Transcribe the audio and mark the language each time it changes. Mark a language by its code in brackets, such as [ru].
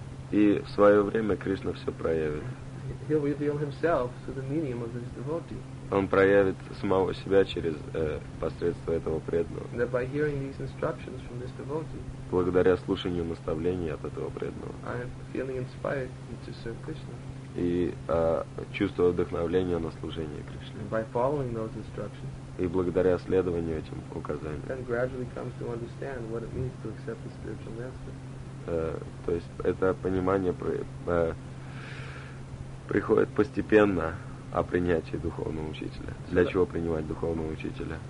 [ru] И в свое время Кришна все проявит. [en] He'll reveal himself through the medium of his devotee. [ru] Он проявит самого себя через посредством этого преданного. [en] That by hearing these instructions from this devotee. [ru] Благодаря слушанию наставлений от этого преданного. [en] I'm feeling inspired to serve Krishna. [ru] И чувство вдохновления на служение Кришне. [en] And by following those instructions. [ru] И благодаря следованию этим указаниям. [en] Then gradually comes to understand what it means to accept the spiritual master. [ru] То есть это понимание про приходит постепенно о принятии духовного учителя. Для чего принимать духовного учителя?